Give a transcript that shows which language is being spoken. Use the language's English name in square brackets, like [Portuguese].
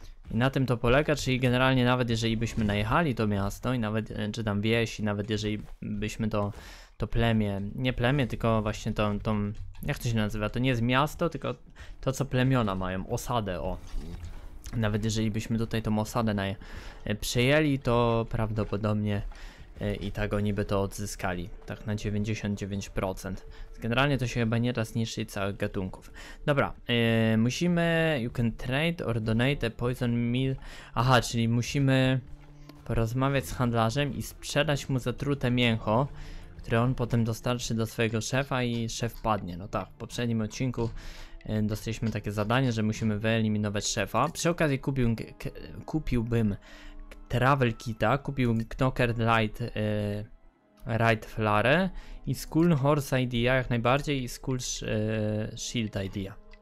[Polish] I na tym to polega, czyli generalnie nawet jeżeli byśmy najechali to miasto i nawet czy tam wieś, i nawet jeżeli byśmy to plemię, nie plemię, tylko właśnie tą jak to się nazywa, to nie jest miasto, tylko to co plemiona mają, osadę, o. Nawet jeżeli byśmy tutaj tą osadę przejęli, to prawdopodobnie i tak oni by to odzyskali. Tak na 99%. Generalnie to się chyba nie da zniszczyć całych gatunków. Dobra, musimy... [English] You can trade or donate a poison meal. [Polish] Aha, czyli musimy porozmawiać z handlarzem i sprzedać mu zatrute mięcho, które on potem dostarczy do swojego szefa i szef padnie. No tak, w poprzednim odcinku dostaliśmy takie zadanie, że musimy wyeliminować szefa. Przy okazji kupiłbym Travel Kita, kupiłbym Knocker Light Ride Flare i Skull Horse Idea jak najbardziej i Skull Shield Idea.